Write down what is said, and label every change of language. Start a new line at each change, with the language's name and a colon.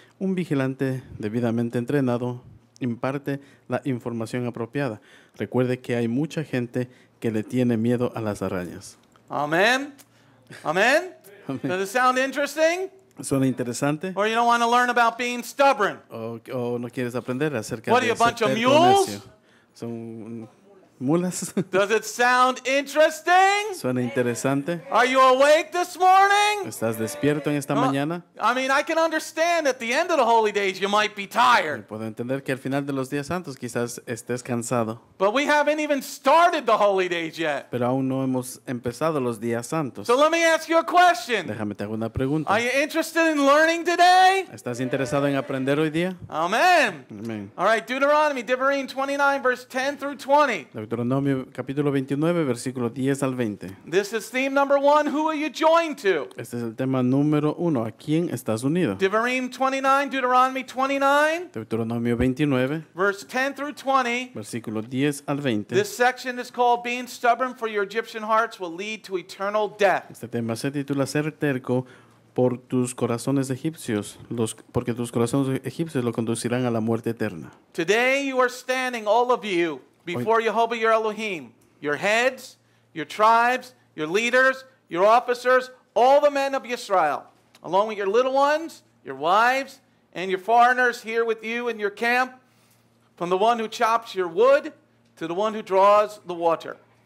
Spanish: Un vigilante debidamente entrenado imparte la información apropiada. Recuerde que hay mucha gente que le tiene miedo a las arañas.
English: Amen. Amen. Does it sound interesting?
Spanish: ¿Suena interesante?
English: Or you don't want to learn about being stubborn?
Spanish: O no quieres aprender acerca
English: what,
Spanish: de ser necio?
English: What are you, a bunch of mules?
Spanish: Son mulas.
English: Does it sound interesting?
Spanish: ¿Suena interesante?
English: Are you awake this morning?
Spanish: ¿Estás despierto en esta mañana?
English: I mean, I can understand at the end of the holy days you might be tired.
Spanish: Puedo entender que al final de los días santos quizás estés cansado.
English: But we haven't even started the holy days yet.
Spanish: Pero aún no hemos empezado los días santos.
English: So let me ask you a question.
Spanish: Déjame te hago una pregunta.
English: Are you interested in learning today?
Spanish: ¿Estás interesado en aprender hoy día? Amen. Amen.
English: All right, Deuteronomy, Devarim 29, verse 10 through 20.
Spanish: Deuteronomio capítulo 29 versículo 10 al 20.
English: This is theme number 1. Who are you joined to?
Spanish: Este es el tema número 1. ¿A quién estás unido?
English: Devarim 29, Deuteronomy 29.
Spanish: Deuteronomio 29.
English: Verse 10 through 20.
Spanish: Versículo 10 al 20.
English: This section is called being stubborn for your Egyptian hearts will lead to eternal death.
Spanish: Este tema se titula ser terco por tus corazones egipcios, porque tus corazones egipcios lo conducirán a la muerte eterna.
English: Today you are standing, all of you, before Yehovah your Elohim, your heads, your tribes, your leaders, your officers, all the men of Israel, along with your little ones, your wives, and your foreigners here with you in your camp, from the one who chops your wood to the one who draws the water.